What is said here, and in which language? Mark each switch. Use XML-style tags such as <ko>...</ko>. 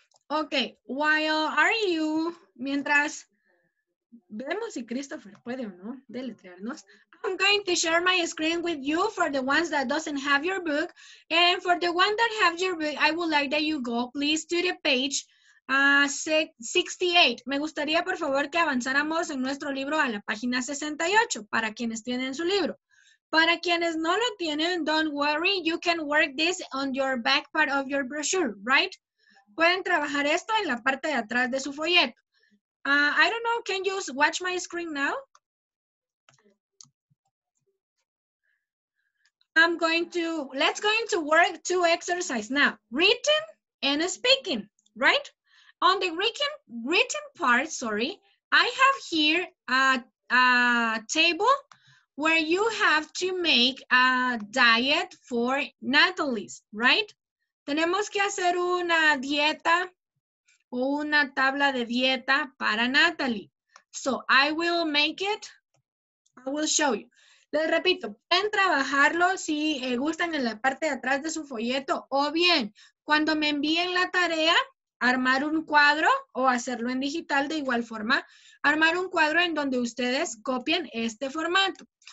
<en>Okay, while are you,</en> <es>mientras, vemos si Christopher puede o no deletrearnos.</es> <en>I'm going to share my screen with you for the ones that doesn't have your book. And for the one that have your book, I would like that you go, please, to the page 68.</en> <es>Me gustaría, por favor, que avanzáramos en nuestro libro a la página 68, para quienes tienen su libro. Para quienes no lo tienen,</es> <en>don't worry, you can work this on your back part of your brochure, right?</en> <es>Pueden trabajar esto en la parte de atrás de su folleto.</es> <en>I don't know, can you watch my screen now? Let's going to work two exercises now. Written and speaking, right? On the written part, sorry, I have here a table where you have to make a diet for Natalie's, right?</en> <es>Tenemos que hacer una dieta o una tabla de dieta para Natalie.</es> <en>So I will make it, I will show you.</en> <es>Les repito, pueden trabajarlo si gustan en la parte de atrás de su folleto o bien, cuando me envíen la tarea, armar un cuadro o hacerlo en digital de igual forma, armar un cuadro en donde ustedes copien este formato.</es>